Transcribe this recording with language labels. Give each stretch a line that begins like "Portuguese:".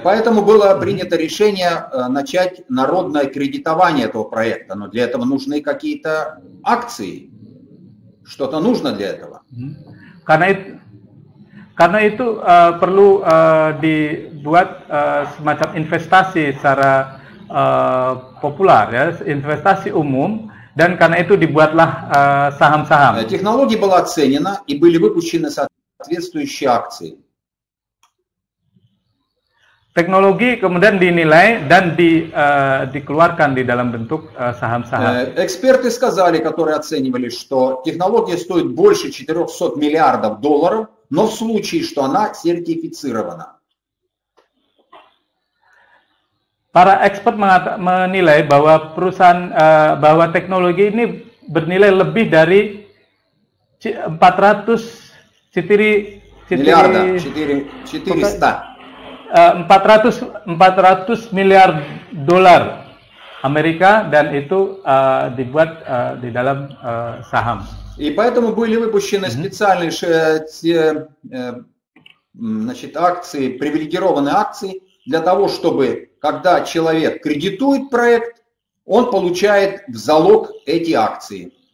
Russian: Поэтому было принято решение начать народное кредитование этого проекта, но для этого нужны какие-то акции, что-то нужно для этого.
Indonesian: Karena itu perlu dibuat semacam investasi secara populer, ya, investasi umum, dan karena itu dibuatlah saham-saham.
Russian: Технология была оценена и были выпущены соответствующие акции.
Indonesian: Teknologi kemudian dinilai dan dikeluarkan di dalam bentuk saham-saham.
Russian: Эксперты сказали, которые оценивали, что технология стоит больше 400 миллиардов долларов, но в случае, что она сертифицирована.
Indonesian: Para expert menilai bahwa perusahaan bahwa teknologi ini bernilai lebih dari 400 400 miliar dolar Amerika dan itu dibuat di dalam saham.
Russian: И поэтому были выпущены специальные значит, акции, привилегированные акции для того, чтобы когда человек кредитует проект, он получает в залог эти акции.